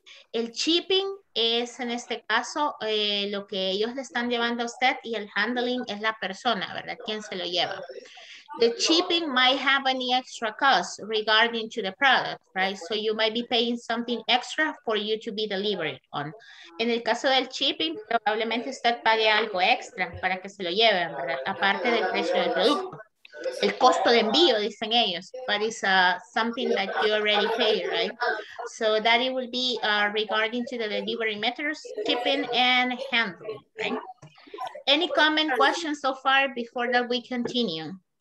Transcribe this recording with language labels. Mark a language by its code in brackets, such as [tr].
[es] El shipping es, en este caso, lo que ellos le están llevando a usted y el handling es la persona, ¿verdad? ¿Quién se lo lleva? [en] The shipping might have any extra cost regarding to the product, right? So you might be paying something extra for you to be delivered on. [es] En el caso del shipping, probablemente usted pague algo extra para que se lo lleven, ¿verdad? Aparte del precio del producto. El costo de envío, dicen ellos, [en] but it's something that you already pay, right? So that it will be regarding to the delivery methods, shipping and handling, right? Any comment, questions so far before that we continue?